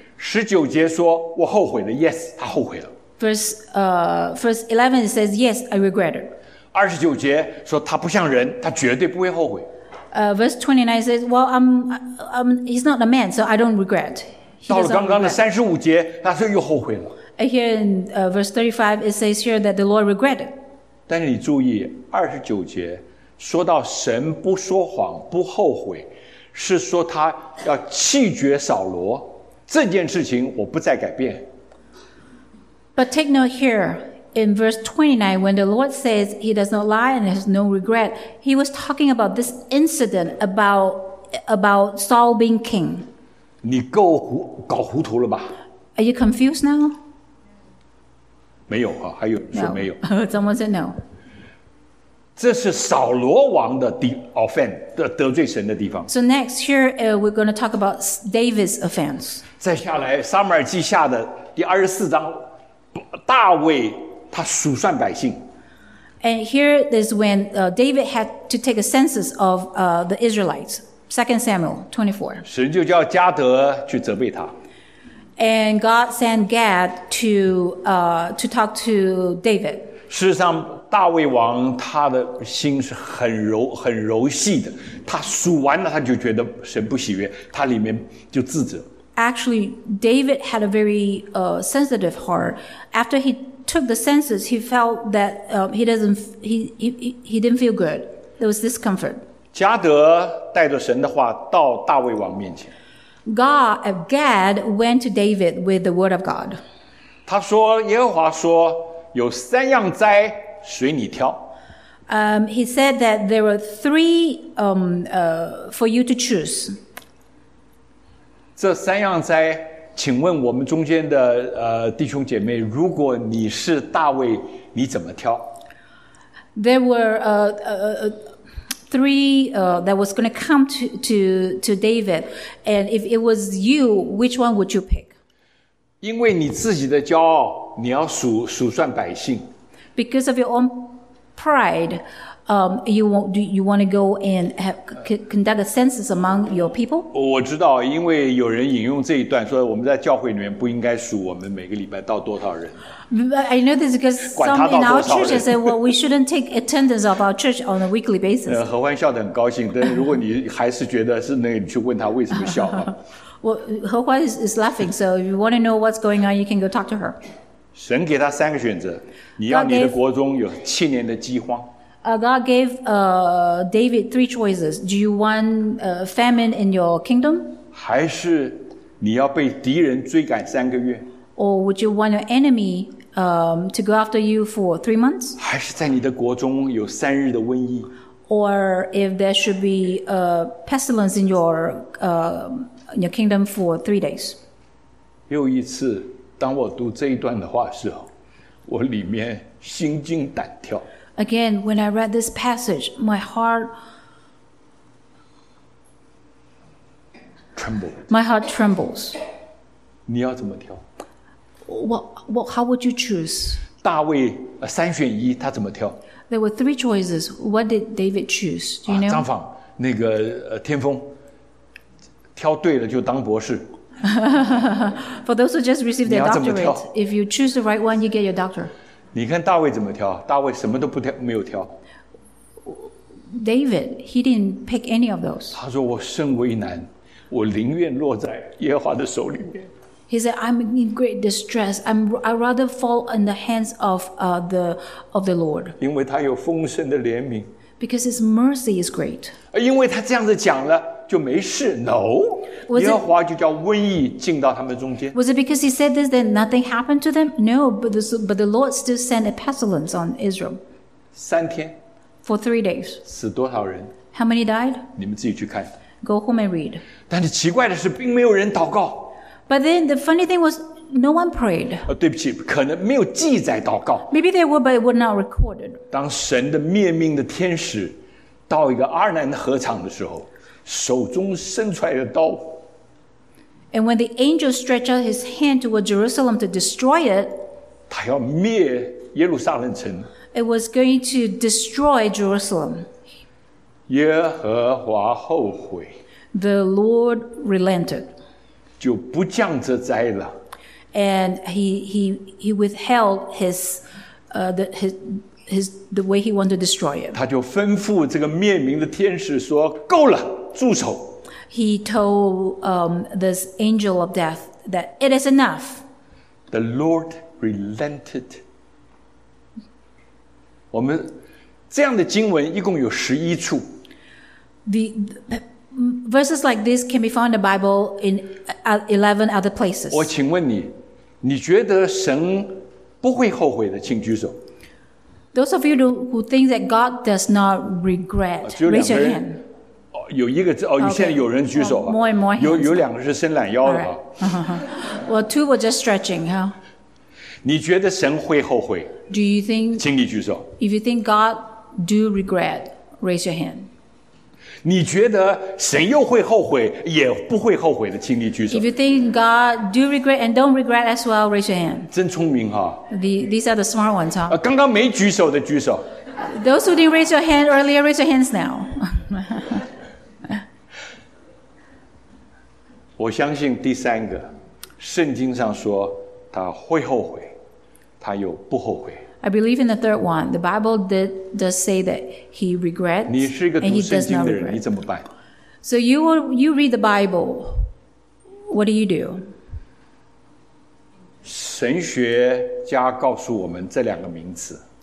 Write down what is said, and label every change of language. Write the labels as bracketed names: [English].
[Chinese] 十九节说我后悔了 [English] Yes [Chinese] 他后悔了 [English] First 11 it says Yes I regret it [Chinese] 二十九节说他不像人他绝对不会后悔 [English] Verse 29 says Well he's not a man so I don't regret [Chinese] 到了刚刚的三十五节他说又后悔了 [English] Here in verse 35 it says here that the Lord regretted [Chinese] 但是你注意二十九节说到神不说谎不后悔，是说他要弃绝扫罗这件事情，我不再改变。 [English] But take note here in verse 29, when the Lord says He does not lie and has no regret, He was talking about this incident about Saul being king. [Chinese] 你够搞糊涂了吧 [English] ？Are you confused now? [Chinese] 没有啊，还有说没有。 [English] No. Someone said no. [Chinese] 这是扫罗王的 offense 得罪神的地方。 [English] So next, here we're going to talk about David's offense. [Chinese] 再下来，撒母耳记下的第二十四章，大卫他数算百姓。 [English] And here is when David had to take a census of the Israelites, 2 Samuel 24. [Chinese] 神就叫加德去责备他。 [English] And God sent Gad to talk to David. [Chinese] 事实上。大卫王他的心是很柔细的，他数完了他就觉得神不喜悦，他里面就自责。 [English] Actually, David had a very sensitive heart. After he took the census, he felt that he didn't feel good. There was discomfort. [Chinese] 加德带着神的话到大卫王面前。 [English] Gad went to David with the word of God. [Chinese] 他说耶和华说有三样灾。随你挑。 [English] He said that there were three for you to choose. [Chinese] 这三样灾，请问我们中间的弟兄姐妹，如果你是大卫，你怎么挑 [English] ？There were three that was going to come to David, and if it was you, which one would you pick? [Chinese] 因为你自己的骄傲，你要数算百姓。 [English] Because of your own pride, you want to go and have, conduct a census among your people? [Chinese] 我知道，因为有人引用这一段说，我们在教会里面不应该数我们每个礼拜到多少人。 [English] I know this because some in our church say, well, we shouldn't take attendance of our church on a weekly basis. [Chinese] 何欢笑得很高兴，但如果你还是觉得是那个，你去问他为什么笑啊。 [English] Well, Ho Hua is laughing, so if you want to know what's going on, you can go talk to her. [Chinese] 神给他三个选择，你要你的国中有七年的饥荒。 [English] God gave David three choices. Do you want famine in your kingdom? [Chinese] 还是你要被敌人追赶三个月？ [English] Or would you want your enemy to go after you for 3 months? [Chinese] 还是在你的国中有三日的瘟疫？ [English] Or if there should be a pestilence in your in your kingdom for 3 days. [Chinese] 又一次，当我读这一段的话时候，我里面心惊胆跳。 [English] Again, when I read this passage, my heart trembled. My heart trembles. [Chinese] 你要怎么挑？ [English] What? How would you choose? [Chinese] 大卫三选一，他怎么挑？ [English] There were three choices. What did David choose? Do you know? [Chinese] 张访那个天风。挑对了就当博士。 [English] For those who just received their doctorate, if you choose the right one, you get your doctor. [Chinese] 你看大卫怎么挑？大卫什么都不挑，没有挑。 [English] David, he didn't pick any of those. [Chinese] 他说我甚为难，我宁愿落在耶和华的手里面。 [English] He said, "I'm in great distress. I'd rather fall in the hands of the Lord." [Chinese] 因为他有丰盛的怜悯。 [English] Because his mercy is great. [Chinese] 因为他这样子讲了。就没事 ， [English] no。 [Chinese] 耶和华就叫瘟疫进到他们中间。 [English] Was it because he said this that nothing happened to them? No, but the Lord still sent a pestilence on Israel. [Chinese] 三天。 [English] For 3 days. [Chinese] 死多少人 [English] ？How many died? [Chinese] 你们自己去看。 [English] Go home and read. [Chinese] 但是奇怪的是，并没有人祷告。 [English] But then the funny thing was, no one prayed. [Chinese] 对不起，可能没有记载祷告。 [English] Maybe they were, but it was not recorded. [Chinese] 当神的灭命的天使到一个阿南禾场的时候。手中伸出来的刀。 [English] And when the angel stretched out his hand toward Jerusalem to destroy it, [Chinese] 他要灭耶路撒冷城。 [English] It was going to destroy Jerusalem. [Chinese] 耶和华后悔。 [English] The Lord relented. [Chinese] 就不降这灾了。 [English] And he withheld the way he wanted to destroy it. [Chinese] 他就吩咐这个灭民的天使说，够了。住手。 [English] He told this angel of death that it is enough. The Lord relented. [Chinese] 我们这样的经文一共有十一处。 [English] The verses like this can be found in the Bible in 11 other places. [Chinese] 我请问你，你觉得神不会后悔的，请举手。 [English] Those of you who think that God does not regret, raise your hand. [Chinese] 有一个哦，现在有人举手了。 [English] Okay. Well, more and more [Chinese] 有两个是伸懒腰的。 [English] Right. Well, two were just stretching, huh? [Chinese] 你觉得神会后悔 [English] ？Do you think? [Chinese] 请你举手。 [English] If you think God do regret, raise your hand. [Chinese] 你觉得神又会后悔，也不会后悔的，请你举手。 [English] If you think God do regret and don't regret as well, raise your hand. [Chinese] 真聪明哈。 [English] These are the smart ones, huh? [Chinese] 刚刚没举手的举手。 [English] Those who didn't raise your hand earlier, raise your hands now. [Chinese] 我相信第三个，圣经上说他会后悔，他又不后悔。 [English] I believe in the third one. The Bible does say that he regrets. [Chinese] 你是一个读圣经的人，你怎么办 [English] ？So you read the Bible. What do you do? [Chinese] 神学家告诉我们这两个名词。